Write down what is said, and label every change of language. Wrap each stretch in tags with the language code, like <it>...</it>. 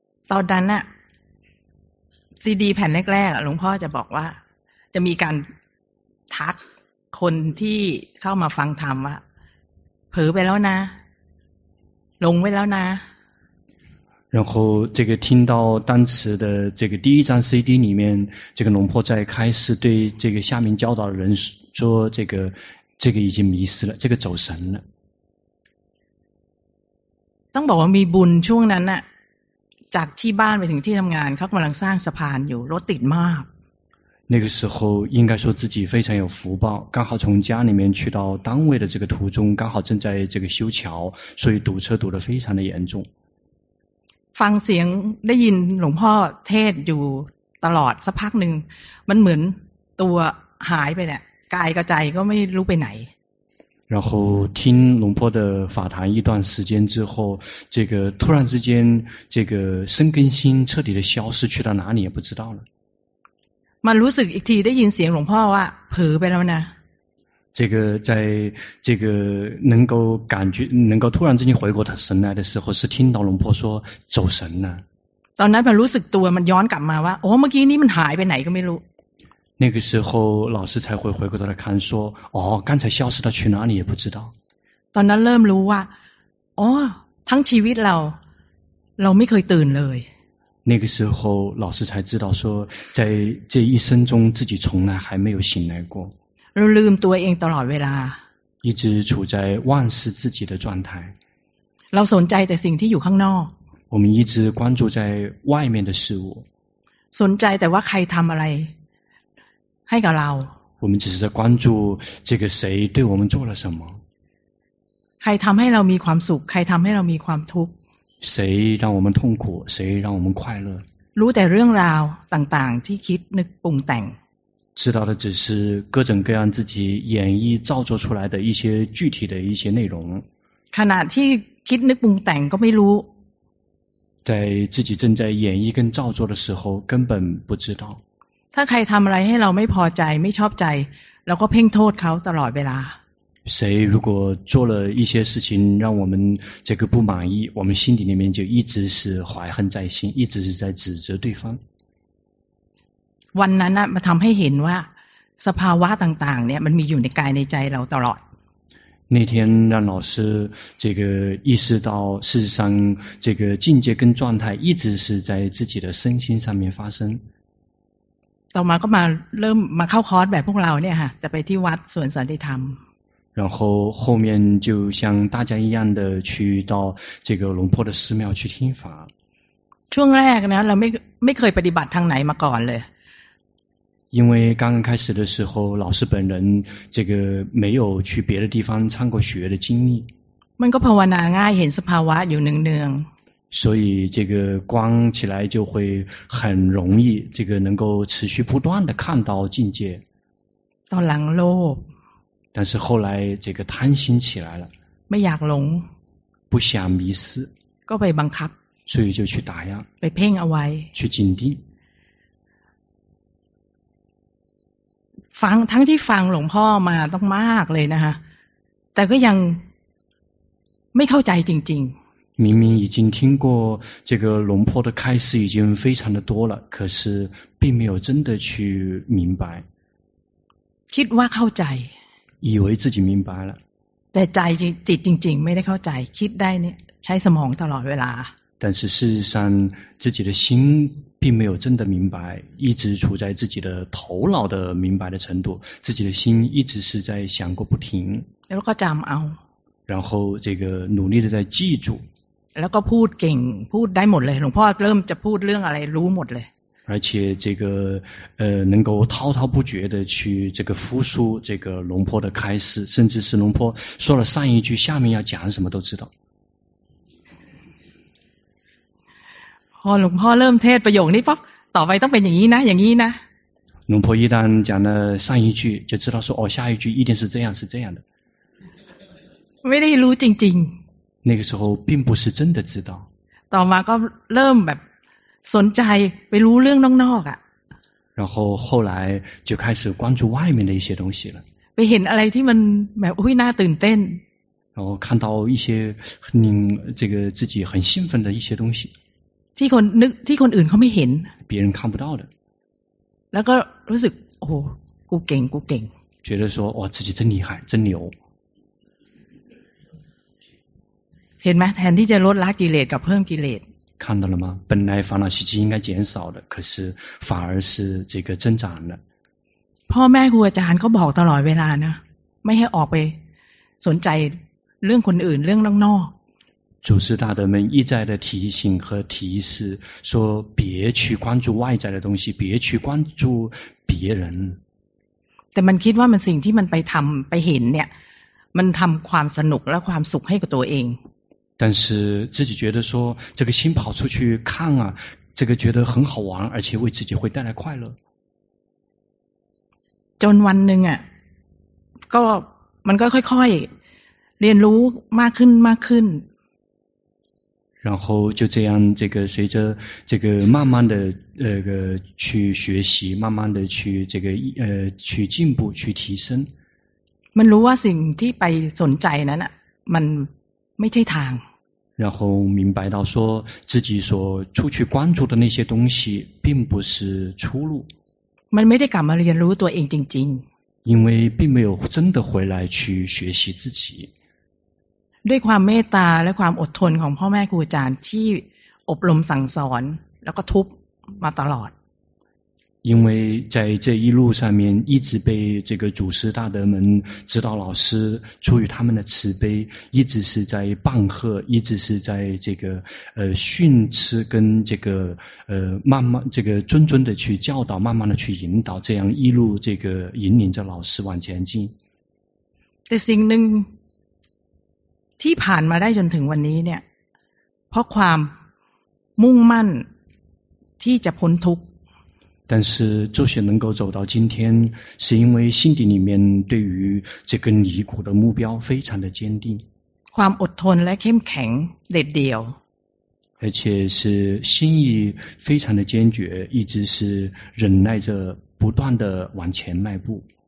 <th>ตอนนั้นอะซีดีแผ่นแรกๆหลวงพ่อจะบอกว่าจะมีการทักคนที่เข้ามาฟังธรรมว่าเผลอไปแล้วนะลงไปแล้วนะ</th> <zh>然后这个听到单词的这个第一张 CD 里面，这个龙婆在开始对这个下面教导的人说，这个已经迷失了，这个走神了。</zh> <th>ต้องบอกว่ามีบุญช่วงนั้นน่ะจากที่บ้านไปถึงที่ทำงานเขากำลังสร้างสะพานอยู่รถติดมาก</th> <zh>那个时候应该说自己非常有福报，刚好从家里面去到单位的这个途中，刚好正在这个修桥，所以堵车堵得非常的严重。</zh> <th>ฟังเสียงได้ยินหลวงพ่อเทศอยู่ตลอดสักพักหนึ่งมันเหมือนตัวหายไปเนี่ยกายกับใจก็ไม่รู้ไปไหน</th> <zh>然后听龙婆的法谈一段时间之后，这个突然之间这个身跟心彻底的消失，去到哪里也不知道了。</zh> <th>มันรู้สึกอีกทีได้ยินเสียงหลวงพ่อว่าเผลอไปแล้วนะ</th> <zh>这个在这个能够感觉能够突然之间回过他神来的时候，是听到龙婆说走神了。</zh> <th>ตอนนั้นมันรู้สึกตัวมันย้อนกลับมาว่าโอ้เมื่อกี้นี้มันหายไปไหนก็ไม่รู้。</th> <zh>那个时候老师才会回过头来看说，哦，刚才消失的去哪里也不知道。</zh> <th>ตอนนั้นเริ่มรู้ว่าโอ้ทั้งชีวิตเราไม่เคยตื่นเลย。</th> <zh>那个时候老师才知道说，在这一生中自己从来还没有醒来过。</zh> <th>เราลืมตัวเองตลอดเวลา</th> <zh>一直处在忘失自己的状态</zh> <th>เราสนใจแต่สิ่งที่อยู่ข้างนอก</th> <zh>我们一直关注在外面的事物</zh> <th>สนใจแต่ว่าใครทำอะไรให้กับเรา</th> <zh>我们只是在关注这个谁对我们做了什么</zh> <th>ใครทำให้เรามีความสุขใครทำให้เรามีความทุกข์</th> <zh>谁让我们痛苦谁让我们快乐</zh> <th>รู้แต่เรื่องราวต่างๆที่คิดนึกปรุงแต่ง</th> <zh>知道的只是各种各样自己演绎造作出来的一些具体的一些内容。</zh> <th>ขณะที่คิดนึกปรุงแต่งก็ไม่รู้</th> <zh>在自己正在演绎跟造作的时候根本不知道</zh> <th>ถ้าใครทำอะไรให้เราไม่พอใจไม่ชอบใจเราก็เพ่งโทษเขาตลอดเวลา</th> <zh>谁如果做了一些事情让我们这个不满意我们心底里面就一直是怀恨在心一直是在指责对方</zh> <th>วันนั้นน่ะมาทำให้เห็นว่าสภาวะต่างๆเนี่ยมันมีอยู่ในกายในใจเราตลอด</th> <zh>那天让老师这个意识到事实上这个境界跟状态一直是在自己的身心上面发生</zh> <th>ต่อมาก็มาเริ่มมาเข้าคอร์สแบบพวกเราเนี่ยค่ะจะไปที่วัดส่วนสันติธรรม</th> <zh>然后后面就像大家一样的去到这个龙坡的寺庙去听法</zh> <th>ช่วงแรกนะเราไม่เคยปฏิบัติทางไหนมาก่อนเลย</th> <zh>因为刚刚开始的时候老师本人这个没有去别的地方参过学的经历</zh> <th>มันก็ภาวนาง่ายเห็นสภาวะอยู่เนือง</th> <zh>ๆ所以这个光起来就会很容易这个能够持续不断的看到境界</zh> <th>ตอนหลังโลภ</th> <zh>但是后来这个贪心起来了</zh> <th>ไม่อยากหลง</th> <zh>不想迷失</zh> <th>ก็ไปบังคับ</th> <zh>所以就去打压</zh> <th>ไปเพ่งเอาไว้</th> <zh>去紧盯</zh> <th>ฟังทั้งที่ฟังหลวงพ่อมาต้องมากเลยนะคะแต่ก็ยังไม่เข้าใจจริง</th> <zh>ๆ明明已经听过这个龙婆的开示已经非常的多了可是并没有真的去明白</zh> <th>คิดว่าเข้าใจ</th> <zh>以为自己明白了</zh> <th>แต่ใจจิตจริงๆไม่ได้เข้าใจคิดได้เนี่ยใช้สมองตลอดเวลา</th> <zh>但是事实上自己的心并没有真的明白一直处在自己的头脑的明白的程度自己的心一直是在想过不停</zh> <th>แล้วก็จำเอา</th> <zh>然后这个努力的在记住</zh> <th>แล้วก็พูดเก่งพูดได้หมดเลยหลวงพ่อเริ่มจะพูดเรื่องอะไรรู้หมดเลย</th> <zh>而且这个能够滔滔不绝的去这个复述这个龙婆的开示甚至是龙婆说了上一句下面要讲什么都知道</zh> <th>พอหลวงพ่อเริ่มเทศประโยคนี้ปั๊บต่อไปต้องเป็นอย่างนี้นะอย่างนี้นะ</th> <zh>หลวงพ่อ一旦讲了上一句就知道说哦下一句一定是这样是这样的</zh> <th>ไม่ได้รู้จริง</th> <zh>ๆ那个时候并不是真的知道</zh> <th>ต่อมาก็เริ่มแบบสนใจไปรู้เรื่องนอกๆอ่ะ</th> <zh>然后后来就开始关注外面的一些东西了</zh> <th>ไปเห็นอะไรที่มันแบบอุ้ยน่าตื่นเต้น</th> <zh>然后看到一些这个自己很兴奋的一些东西</zh> <th>ที่คนนึกที่คนอื่นเขาไม่เห็น</th> <zh>别人看不到的</zh> <th>แล้วก็รู้สึกโอ้โหกูเก่งกูเก่ง</th> <zh>觉得说哇自己真厉害真牛</zh> <th>เห็นไหมแทนที่จะลดละกิเลสกับเพิ่มกิเลส</th> <zh>看到了吗本来烦恼习气应该减少的可是反而是这个增长的</zh> <th>พ่อแม่ครูอาจารย์ก็บอกตลอดเวลานะไม่ให้ออกไปสนใจเรื่องคนอื่นเรื่องนอก</th> <zh>祖师大德们一再的提醒和提示说别去关注外在的东西别去关注别人</zh> <th>แต่มันคิดว่ามันสิ่งที่มันไปทําไปเห็นเนี่ยมันทําความสนุกและความสุขให้กับตัวเอง</th> <zh>但是自己觉得说这个心跑出去看啊这个觉得很好玩而且为自己会带来快乐</zh> <th>จนวันนึงอ่ะก็มันก็ค่อยๆเรียนรู้มากขึ้นมากขึ้น</th> <zh>然后就这样，这个随着这个慢慢的去学习，慢慢的去这个去进步，去提升。</zh> <th>มันรู้ว่าสิ่งที่ไปสนใจนั้นน่ะมันไม่ใช่ทาง。</th> <zh>然后明白到说自己所出去关注的那些东西并不是出路。</zh> <th>มันไม่ได้กลับมาเรียนรู้ตัวเองจริง ๆ。</th> <zh>因为并没有真的回来去学习自己。</zh> <th>ด้วยความเมตตาและความอดทนของพ่อแม่ครูอาจารย์ที่อบรมสั่งสอนแล้วก็ทุบมาตลอด</th> <zh>因为在这一路上面一直被这个祖师大德们指导老师出于他们的慈悲一直是在棒喝一直是在这个训斥跟这个慢慢这个谆谆的去教导慢慢的去引导这样一路这个引领着老师往前进</zh> <th>แต่สิ่งหนึ่งที่ผ่านมาได้จนถึงวันนี้เนี่ยเพราะความมุ่งมั่นที่จะพ้นทุกข์</th> <zh>但是就是能够走到今天是因为心底里面对于这个离苦的目标非常的坚定</zh> <th>ความอดทนและเข้มแข็งเด็ดเดี่ยว</th> <zh>而且是心意非常的坚决一直是忍耐着不断的往前迈步</zh>